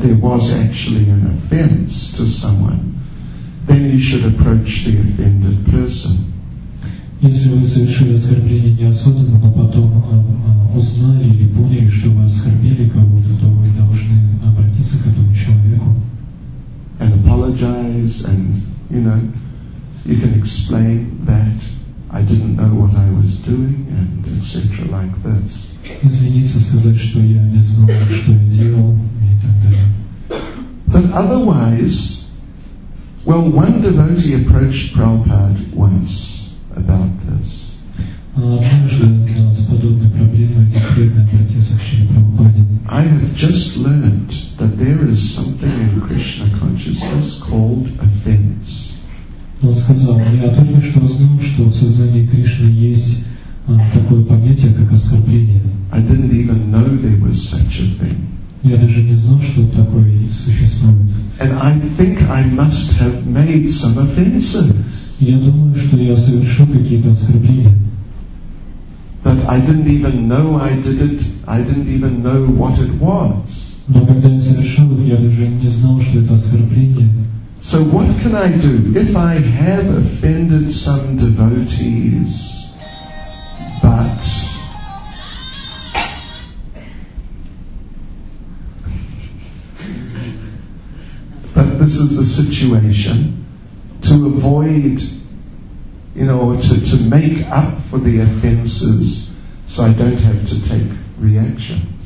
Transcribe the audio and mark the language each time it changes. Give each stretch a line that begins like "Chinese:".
English: Actually an offense to someone, then you should approach the offended person.
Russian: Если вы совершили оскорбление неосознанно, но потом узнали или поняли, что вы оскорбили кого-то, то вы должны обратиться к этому человеку.
English: And apologize, and you know, you can explain that I didn't know what I was doing, and etc. like this.
Russian: Извиниться, сказать, что я не знал, что я делал, и так далее.
English: otherwise, well, one devotee approached Prabhupada once about this. I have just learned that there is something in Krishna consciousness called offense.
Russian: Он сказал, я только что узнал, что в сознании Кришны есть такое понятие, как оскорбление.
English: I didn't even know there was such a thing.
Russian: Я даже не знал, что такое существует.
English: And I think I must have made some offenses.
Russian: Я думаю, что я совершил какие-то оскорбления.
English: But I didn't even know I did it. I didn't even know what it was.
Russian: Но когда я совершил их, я даже не знал, что это оскорбление.
English: So what can I do if I have offended some devotees, but this is the situation, to avoid, you know, to make up for the offenses so I don't have to take reaction.